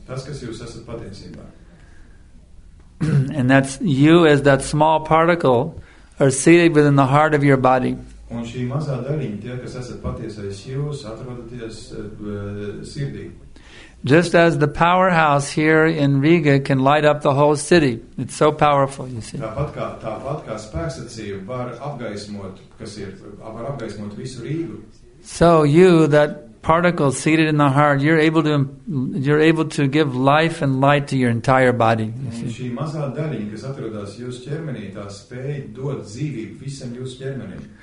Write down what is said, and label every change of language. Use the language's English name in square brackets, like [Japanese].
[Latvian] Tas, kas jūs esat patiesībā. [English] And that's you as that small particle are seated within the heart of your body. [Latvian] Un šī mazā daļiņa, tie, kas esat patiesais jūs, atrodaties sirdī. [English] Just as the powerhouse here in Riga can light up the whole city. It's so powerful, you see. [Latvian] Tāpat kā spēkstacija var apgaismot, kas ir, var apgaismot visu Rīgu. [English] So you, that particle seated in the heart, you're able to give life and light to your entire body. [Latvian] Šī mazā daļiņa, kas atrodas jūsu ķermenī, tā spēj dot dzīvību visam jūsu ķermenim.